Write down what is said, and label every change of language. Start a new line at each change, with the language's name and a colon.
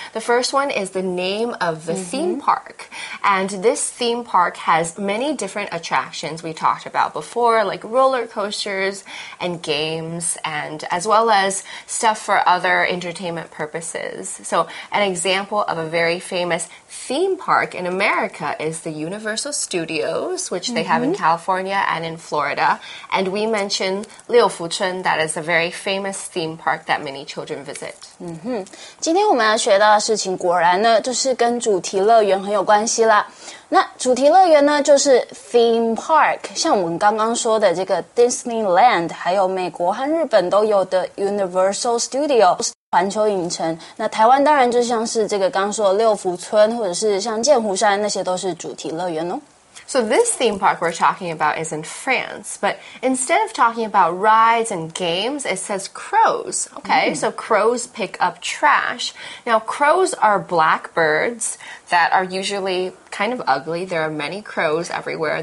English: The first one is the name of the theme park. And this theme park has many different attractions we talked about before, like roller coasters and games, and as well as stuff for other entertainment purposes. So an example of a very famous theme park in America is the Universal Studios, which they have in California and in Florida. And we mentioned 六福村, that is a very famous theme park. That many children visit.
Chinese: 今天我们要学到的事情果然呢就是跟主题乐园很有关系啦。那主题乐园呢就是 theme park, 像我们刚刚说的这个 Disneyland, 还有美国和日本都有的 Universal Studios, 环球影城。那台湾当然就像是这个刚说的六福村或者是像剑湖山那些都是主题乐园哦。
English: So this theme park we're talking about is in France, but instead of talking about rides and games, it says crows. Okay, so crows pick up trash. Now, crows are black birds that are usually kind of ugly. There are many crows everywhere.